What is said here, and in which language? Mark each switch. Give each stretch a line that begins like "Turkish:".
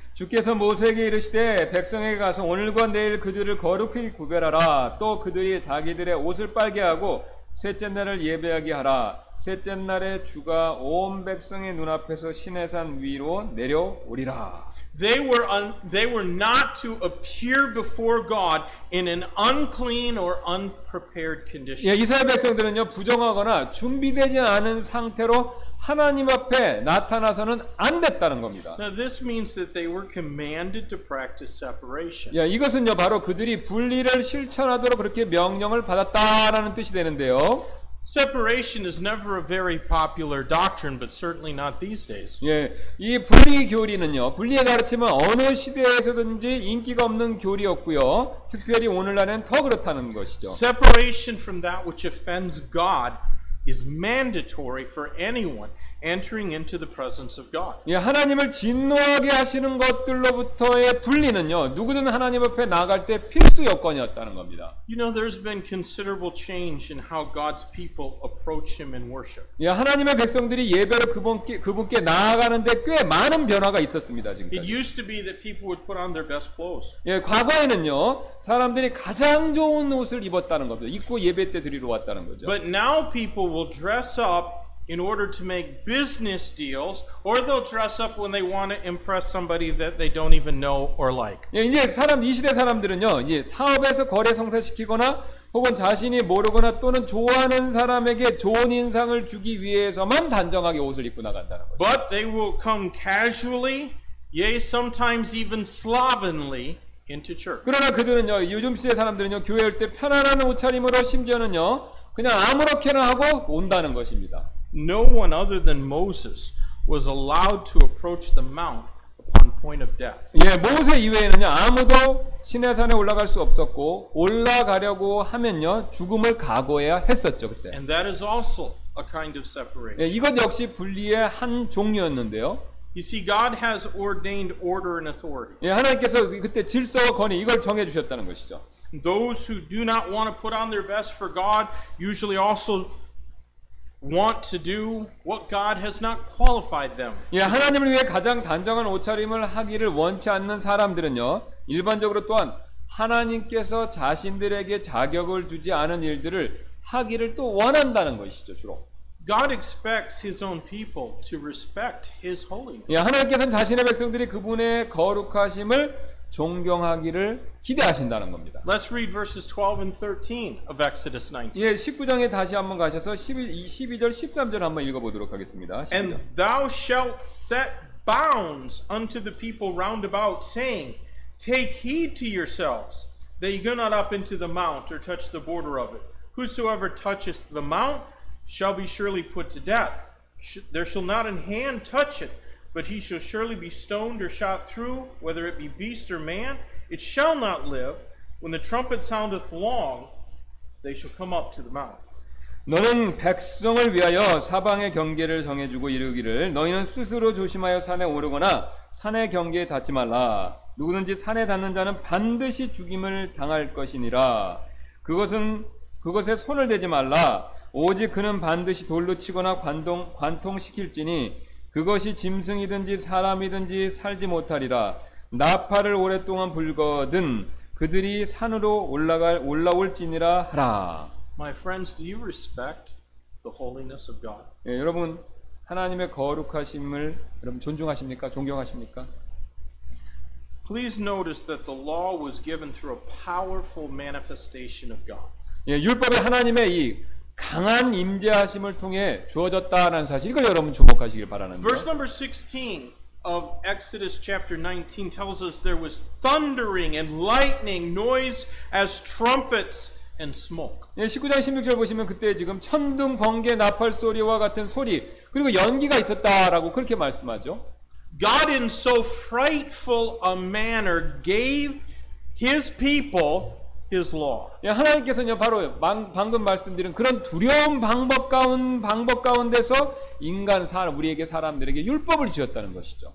Korean: 주께서 모세에게 이르시되 백성에게 가서 오늘과 내일 그들을 거룩히 구별하라. 또 그들이 자기들의 옷을 빨게 하고 셋째 날을 예배하게 하라. 셋째 날에 주가 온 백성의 눈앞에서 시내산 위로 내려오리라.
English: They were not to appear before God in an unclean or unprepared condition.
Korean: 예, 이스라엘 백성들은요, 부정하거나 준비되지 않은 상태로 하나님 앞에 나타나서는 안 됐다는 겁니다.
English: Now this means that they were commanded to practice separation.
Korean: 예, 이것은요, 바로 그들이 분리를 실천하도록 그렇게 명령을 받았다라는 뜻이 되는데요.
English: Separation is never a very popular doctrine, but certainly not these days.
Korean: 예, 이 분리 교리는요, 분리의 가르침은 어느 시대에서든지 인기가 없는 교리였고요, 특별히 오늘날엔 더 그렇다는 것이죠.
English: Separation from that which offends God is mandatory for anyone entering into the presence of God.
Korean: 예, 하나님을 진노하게 하시는 것들로부터의 분리는요, 누구든 하나님 앞에 나갈 때 필수 여건이었다는 겁니다.
English: You know, there's been considerable change in how God's people approach Him in worship.
Korean: 예, 하나님의 백성들이 예배로 그분께 나아가는데 꽤 많은 변화가 있었습니다, 지금까지.
English: It used to be that people would put on their best clothes.
Korean: 예, 과거에는요, 사람들이 가장 좋은 옷을 입었다는 겁니다. 입고 예배 때 드리러 왔다는 거죠.
English: But now people will dress up in order to make business deals, or they'll dress up when they want to impress somebody that they don't even know or like.
Korean: 예, 이제 사람 이 시대 사람들은요, 이제 사업에서 거래 성사시키거나 혹은 자신이 모르거나 또는 좋아하는 사람에게 좋은 인상을 주기 위해서만 단정하게 옷을 입고 나간다는 거죠.
English: But they will come casually, yea, sometimes even slovenly into church.
Korean: 그러나 그들은요, 요즘 시대 사람들은요, 교회 올 때 편안한 옷차림으로 심지어는요, 그냥 아무렇게나 하고 온다는 것입니다.
English: No one other than Moses was allowed to approach the mount upon point of death.
Korean: 예, 모세 이외에는요, 아무도 시내산에 올라갈 수 없었고 올라가려고 하면요, 죽음을 각오해야 했었죠, 그때.
English: And that is also a kind of separation.
Korean: 예, 이것 역시 분리의 한 종류였는데요.
English: You see, God has ordained order and authority.
Korean: 예, 하나님께서 그때 질서와 권위 이걸 정해 주셨다는 것이죠.
English: Those who do not want to put on their best for God usually also want to do what God has not qualified them.
Korean: 예, 하나님을 위해 가장 단정한 옷차림을 하기를 원치 않는 사람들은요, 일반적으로 또한 하나님께서 자신들에게 자격을 주지 않은 일들을 하기를 또 원한다는 것이죠, 주로.
English: God expects His own people to respect His holiness.
Korean: 예, 하나님께서는 자신의 백성들이 그분의 거룩하심을 존경하기를 기대하신다는 겁니다.
English: Let's read verses 12 and 13 of Exodus 19.
Korean: 예, 19장에 다시 한번 가셔서 12절, 13절 한번 읽어보도록 하겠습니다. 12절.
English: And thou shalt set bounds unto the people round about, saying, Take heed to yourselves, that ye go not up into the mount, or touch the border of it. Whosoever toucheth the mount shall be surely put to death. There shall not an hand touch it, but he shall surely be stoned or shot through, whether it be beast or man, it shall not live. When the trumpet soundeth long, they shall come up to the mount.
Korean: 너는 백성을 위하여 사방의 경계를 정해주고 이르기를, 너희는 스스로 조심하여 산에 오르거나 산의 경계에 닿지 말라. 누구든지 산에 닿는 자는 반드시 죽임을 당할 것이니라. 그것에 손을 대지 말라. 오직 그는 반드시 돌로 치거나 관통시킬지니, 그것이 짐승이든지 사람이든지 살지 못하리라. 나팔을 오랫동안 불거든 그들이 산으로 올라올지니라 하라.
English: My friends, do you respect the holiness of God?
Korean: 예, 여러분, 하나님의 거룩하심을 여러분 존중하십니까? 존경하십니까?
English: Please notice that the law was given through a powerful manifestation of God.
Korean: 예, 율법이 하나님의 이 강한 임재하심을 통해 주어졌다라는 사실, 이걸 여러분 주목하시길 바라는데요.
English: Verse number 16 of Exodus chapter 19 tells us there was thundering and lightning, noise as trumpets and smoke.
Korean: 예, 19장 16절 보시면 그때 지금 천둥, 번개, 나팔 소리와 같은 소리 그리고 연기가 있었다라고 그렇게 말씀하죠.
English: God in so frightful a manner gave His people His law.
Korean: 예, 하나님께서는요, 바로 방금 말씀드린 그런 두려운 방법 가운데서 인간 사람 우리에게 사람들에게 율법을 주었다는 것이죠.